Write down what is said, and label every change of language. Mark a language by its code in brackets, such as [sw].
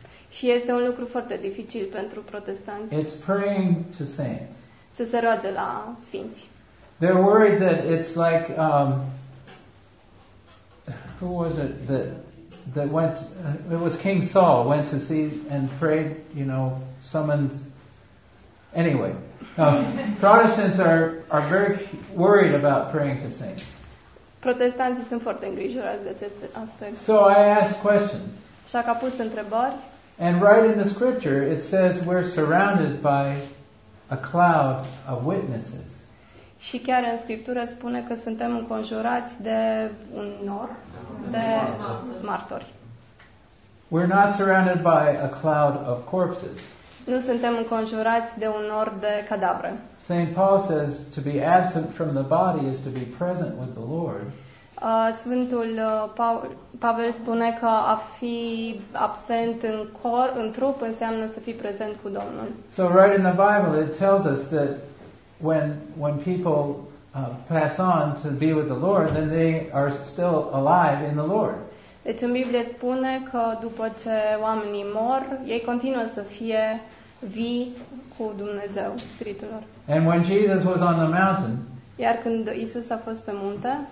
[ro] Și este un lucru foarte dificil pentru protestanți. [en] It's praying to saints. [ro] Să se roage la sfinți. [en] They're worried that it's like who was it that went it was King Saul went to see and prayed, you know, summoned anyway. Protestants are very worried about praying to saints. [ro] Protestanții sunt foarte îngrijorați de acest aspect. [en] So I asked questions. [ro] Și a pus întrebări. [en] And right in the scripture it says we're surrounded by a cloud of witnesses. [ro] Și chiar în scriptură spune că suntem înconjurați de un nor de martori. [en] We're not surrounded by a cloud of corpses. [ro] Nu suntem înconjurați de un nor de cadavre. [en] St. Paul says to be absent from the body is to be present with the Lord. [ro] Sfântul Pavel spune că a fi absent în corp, în trup, înseamnă să fii prezent cu Domnul. [en] So right in the Bible it tells us that when people pass on to be with the Lord, then they are still alive in the Lord. [ro] Deci în Biblie spune că după ce oamenii mor, ei continuă să fie vii cu Dumnezeu, Spiritul lor. [en] And when Jesus was on the mountain, [ro] iar când Isus a fost pe munte,